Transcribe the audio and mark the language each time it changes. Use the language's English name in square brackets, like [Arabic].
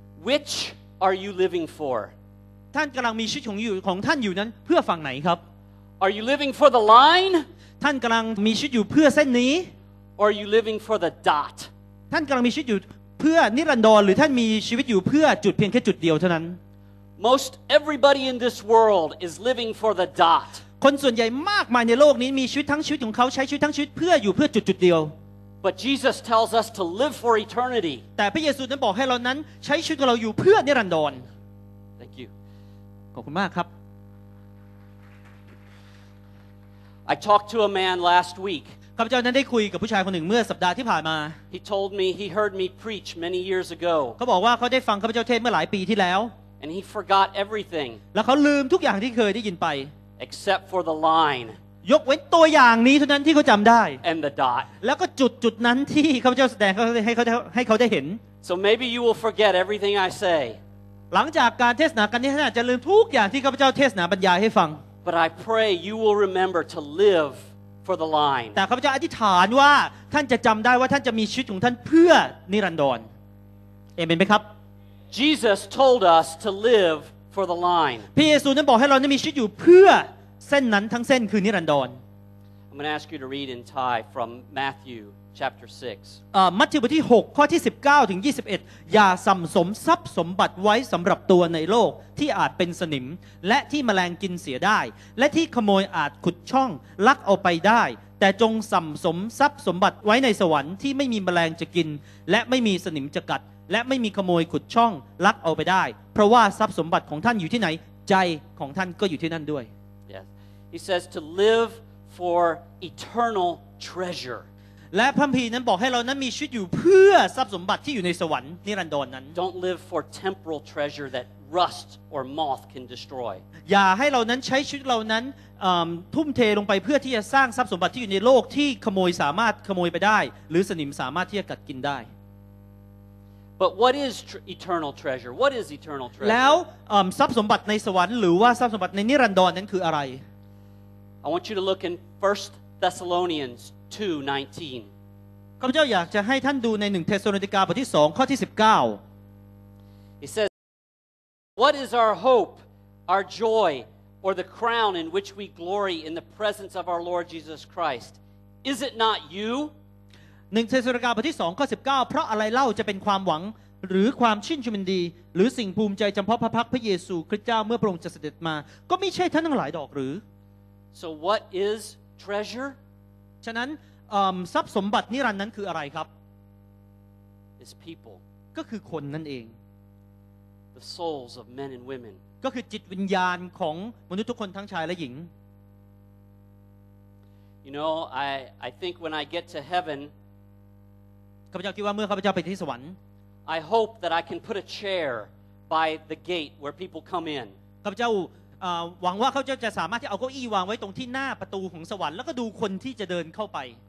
[English] Which are you living for [Thai] ท่านกำลังมีชีวิตของท่านอยู่นั้นเพื่อฝั่งไหนครับ [English] Are you living for the line [Thai] ท่านกำลังมีชีวิตอยู่เพื่อเส้นนี้ [English] Or are you living for the dot [Thai] ท่านกำลังมีชีวิตอยู่เพื่อนิรันดรหรือท่านมีชีวิตอยู่เพื่อจุดเพียงแค่จุดเดียวเท่านั้น [English] Most everybody in this world is living for the dot [Thai] คนส่วนใหญ่มากมายในโลกนี้มีชีวิตทั้งชีวิตของเขาใช้ชีวิตทั้งชีวิตเพื่ออยู่เพื่อจุดๆเดียว [English] But Jesus tells us to live for eternity. [Thai] แต่พระเยซูนั้นบอกให้เรานั้นใช้ชีวิตของเราอยู่เพื่อนิรันดร [English] Thank you. [Thai] ขอบคุณมากครับ [English] I talked to a man last week. [Thai] ข้าพเจ้านั้นได้คุยกับผู้ชายคนหนึ่งเมื่อสัปดาห์ที่ผ่านมา [English] He told me he heard me preach many years ago. [Thai] เขาบอกว่าเขาได้ฟังข้าพเจ้าเทศเมื่อหลายปีที่แล้ว [English] And he forgot everything. [Thai] แล้วเขาลืมทุกอย่างที่เคยได้ยินไป [English] Except for the line. [Thai] ยกเว้นตัวอย่างนี้เท่านั้นที่เขาจำได้ [English] And the dot. [Thai] แล้วก็จุดนั้นที่ข้าพเจ้าแสดงให้เขาได้เห็น [English] So maybe you will forget everything I say. [Thai] หลังจากการเทศนากันนี้ท่านอาจจะลืมทุกอย่างที่ข้าพเจ้าเทศนาบรรยายให้ฟัง [English] But I pray you will remember to live for the line. [Thai] แต่ข้าพเจ้าอธิษฐานว่าท่านจะจำได้ว่าท่านจะมีชีวิตของท่านเพื่อนิรันดรเอเมนไหมครับ [English] Jesus told us to live for the line. [Thai] พระเยซูนั้นบอกให้เรานั้นมีชีวิตอยู่เพื่อเส้นนั้นทั้งเส้นคือนิรันดร [English] I'm going to ask you to read in Thai from Matthew chapter 6. [Thai] มัทธิวบทที่6ข้อที่19ถึง21อย่าสั่มสมทรัพย์สมบัติไว้สำหรับตัวในโลกที่อาจเป็นสนิมและที่แมลงกินเสียได้และที่ขโมยอาจขุดช่องลักเอาไปได้แต่จงสั่มสมทรัพย์สมบัติไว้ในสวรรค์ที่ไม่มีแมลงจะกินและไม่มีสนิมจะกัดและไม่มีขโมยขุดช่องลักเอาไปได้เพราะว่าทรัพย์สมบัติของท่านอยู่ที่ไหนใจของท่านก็อยู่ที่นั่นด้วย [English] He says to live for eternal treasure. [Thai] และพระคัมภีร์นั้นบอกให้เรานั้นมีชีวิตอยู่เพื่อทรัพย์สมบัติที่อยู่ในสวรรค์นิรันดรนั้น [English] Don't live for temporal treasure that rust or moth can destroy. [Thai] อย่าให้เรานั้นใช้ชีวิตเรานั้นทุ่มเทลงไปเพื่อที่จะสร้างทรัพย์สมบัติที่อยู่ในโลกที่ขโมยสามารถขโมยไปได้หรือสนิมสามารถที่จะกัดกินได้ [English] But what is eternal treasure? What is eternal treasure? [Thai] แล้วทรัพย์สมบัติในสวรรค์หรือว่าทรัพย์สมบัติในนิรันดรนั้นคืออะไร [English] I want you to look in 1 Thessalonians 2:19. [Thai] ข้าพเจ้าอยากจะให้ท่านดูใน1เทสโลนิกาบทที่2ข้อที่19. [English] He says, "What is our hope, our joy, or the crown in which we glory in the presence of our Lord Jesus Christ? Is it not you?" [Thai] 1เทสโลนิกาบทที่2ข้อ19. เพราะอะไรเล่าจะเป็นความหวังหรือความชื่นชมยินดีหรือสิ่งภูมิใจจำเพาะพระพักพระเยซูคริสต์เจ้าเมื่อพระองค์จะเสด็จมาก็ไม่ใช่ท่านทั้งหลายดอกหรือ [English] So what is treasure? [Thai] ฉะนั้นทรัพย์สมบัตินิรันดร์นั้นคืออะไรครับ [English] Is people. [Thai] ก็คือคนนั่นเอง [English] The souls of men and women. [Thai] ก็คือจิตวิญญาณของมนุษย์ทุกคนทั้งชายและหญิง [English] You know, I think when I get to heaven. [Thai] ข้าพเจ้าคิดว่าเมื่อข้าพเจ้าไปที่สวรรค์ [English] I hope that I can put a chair by the gate where people come in. [Thai] ข้าพเจ้าหวังว่าเขาจะสามารถที่เอาเก้าอี้วางไว้ตรงที่หน้าประตูของสวรรค์แล้วก็ดูคนที่จะเดินเข้าไป